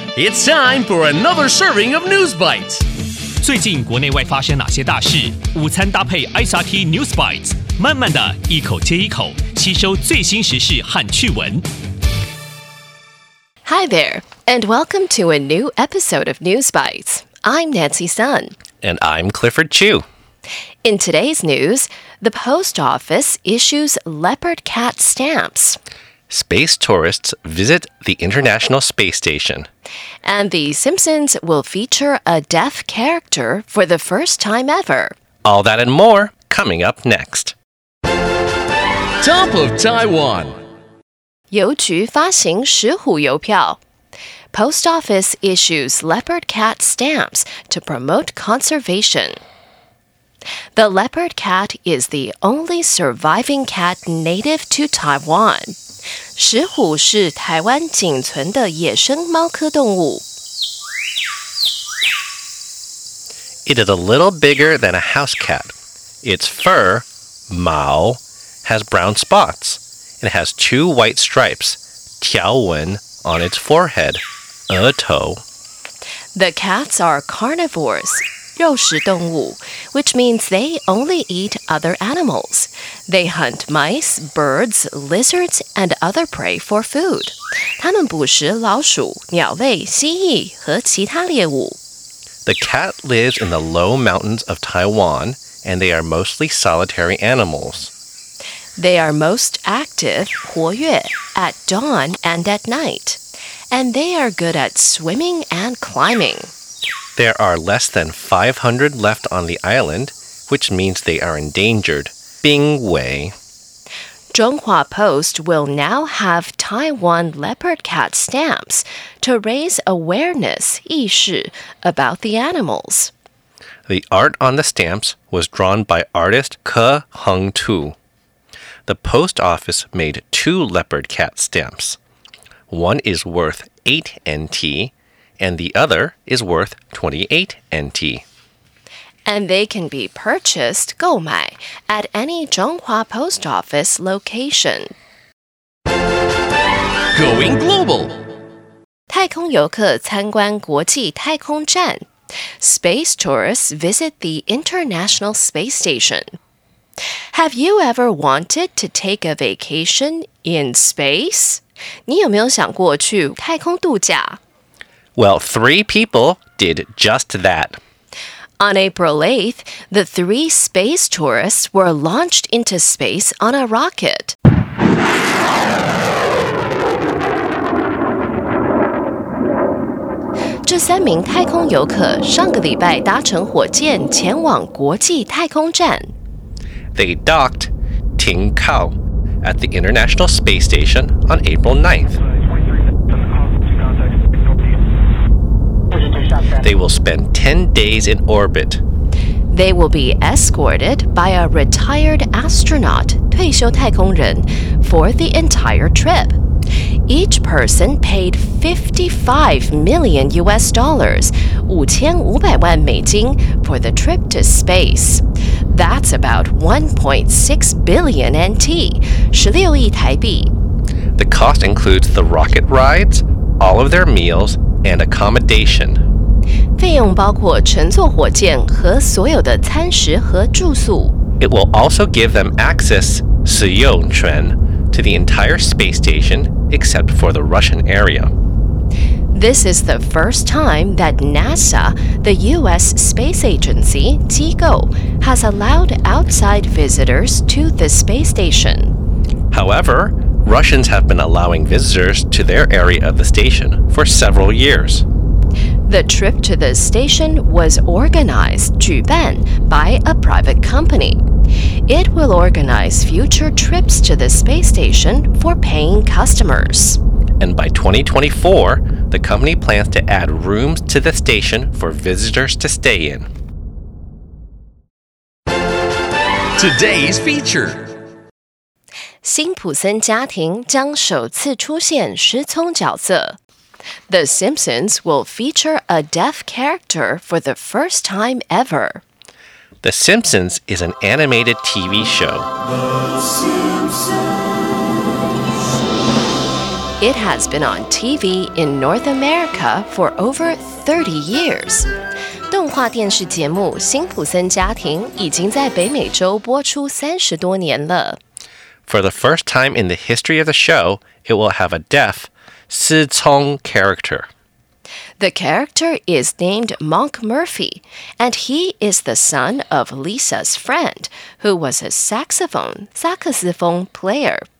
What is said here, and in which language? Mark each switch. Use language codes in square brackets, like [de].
[en] It's time for another serving of News Bites. [zh] 最近国内外发生哪些大事？午餐搭配 SRT News Bites， 慢慢的一口接一口，吸收最新时事和趣闻。 [en] Hi there, and welcome to a new episode of News Bites. I'm Nancy Sun. And I'm Clifford Chu. In today's news, the post office issues leopard cat stamps. Space tourists visit the International Space Station. And The Simpsons will feature a deaf character for the first time ever. All that and more coming up next. Top of Taiwan. [zh] 邮局发行石虎邮票。 [en] Post office issues leopard cat stamps to promote conservation. The leopard cat is the only surviving cat native to Taiwan. [zh] 石虎是台湾仅存的野生猫科动物。 [en] It is a little bigger than a house cat. Its fur, 毛, has brown spots. It has two white stripes, 条纹, on its forehead. 额头. The cats are carnivores, 肉食动物, which means they only eat other animals. They hunt mice, birds, lizards, and other prey for food. [zh] 他们捕食老鼠、鸟类、蜥蜴和其他猎物. [en] The cat lives in the low mountains of Taiwan, and they are mostly solitary animals. They are most active, 活跃, at dawn and at night. And they are good at swimming and climbing. There are less than 500 left on the island, which means they are endangered. Bing Wei. Zhonghua Post will now have Taiwan leopard cat stamps to raise awareness, 意识, about the animals. The art on the stamps was drawn by artist Ke Hung Tu. The post office made two leopard cat stamps. One is worth 8 NT, and the other is worth 28 NT. And they can be purchased, 购买, at any Zhonghua Post Office location. Going global! [zh] 太空游客参观国际太空站. [en] Space tourists visit the International Space Station. Have you ever wanted to take a vacation in space? [zh] 你有没有想过去太空度假? [en] Well, three people did just that. On April 8th, the three space tourists were launched into space on a rocket. [zh] 这三名太空游客上个礼拜搭乘火箭前往国际太空站。 [en] They docked, 停靠。 At the International Space Station on April 9th. They will spend 10 days in orbit. They will be escorted by a retired astronaut, 退休太空人, for the entire trip. Each person paid $55 million, 五千五百万美金, for the trip to space. That's about 1.6 billion NT, 16亿台币. The cost includes the rocket rides, all of their meals, and accommodation. [zh] 费用包括乘坐火箭和所有的餐食和住宿. [en] It will also give them access, 使用权, to the entire space station except for the Russian area. This is the first time that NASA, the U.S. space agency, 机构, has allowed outside visitors to the space station. However, Russians have been allowing visitors to their area of the station for several years. The trip to the station was organized, 举办, by a private company. It will organize future trips to the space station for paying customers. And by 2024,The company plans to add rooms to the station for visitors to stay in. Today's feature. [zh] 辛普森家庭将首次出现失聪角色。 [en] The Simpsons will feature a deaf character for the first time ever. The Simpsons is an animated TV show. The Simpsons. It has been on TV in North America for over 30 years. [zh] 动画电视节目《辛普森家庭》已经在北美洲播出30多年了。 [en] For the first time in the history of the show, it will have a deaf, 失聪 character. The character is named Monk Murphy, and he is the son of Lisa's friend, who was a saxophone player.